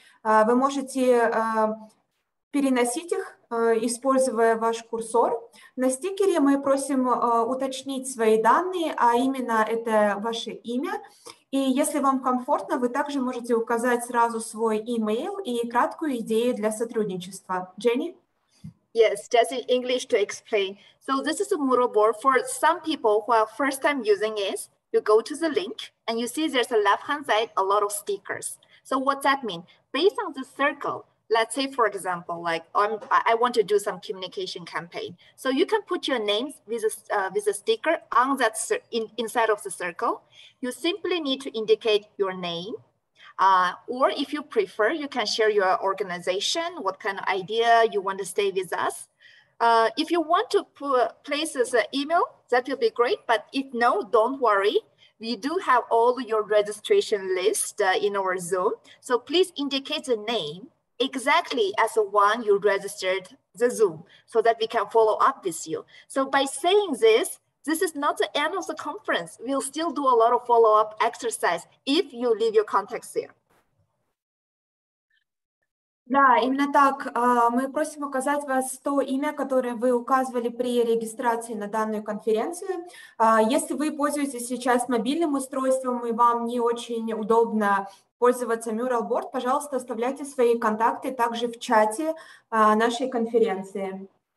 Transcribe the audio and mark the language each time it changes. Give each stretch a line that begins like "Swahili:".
Russian: Вы можете переносить их, используя ваш курсор. На стикере мы просим уточнить свои данные, а именно это ваше имя. И если вам комфортно, вы также можете указать сразу свой email и краткую идею для сотрудничества.
English: Jenny? Yes, just in English to explain. So this is a Moodle board for some people who are first time using it. You go to the link and you see there's a left-hand side, a lot of stickers. So what that mean? Based on the circle, let's say, for example, like I want to do some communication campaign. So you can put your name with a sticker on that inside of the circle. You simply need to indicate your name. Or if you prefer, you can share your organization, what kind of idea you want to stay with us. If you want to place as an email, that will be great. But if no, don't worry. We do have all your registration list in our Zoom. So please indicate the name exactly as the one you registered the Zoom so that we can follow up with you. So by saying this, this is not the end of the conference. We'll still do a lot of follow-up exercise if you leave your contacts there.
Russian: Да, именно так. Мы просим указать вас то имя, которое вы указывали при регистрации на данную конференцию. Если вы пользуетесь сейчас мобильным устройством и вам не очень удобно пользоваться Mural Board, пожалуйста, оставляйте свои контакты также в чате нашей конференции.